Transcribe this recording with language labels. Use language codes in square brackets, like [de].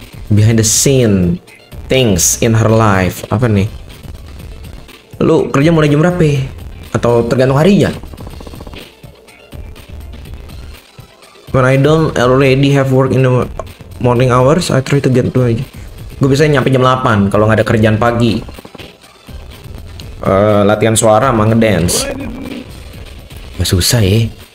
[en] Behind the scene things in her life. [id] Apa nih? Lu kerja mulai jam berapa? Atau tergantung harinya? [en] When I don't already have work in the morning hours, I try to get to aja. [id] Gue biasanya nyampe jam 8 kalau nggak ada kerjaan pagi. Latihan suara sama ngedance. Gak susah ya.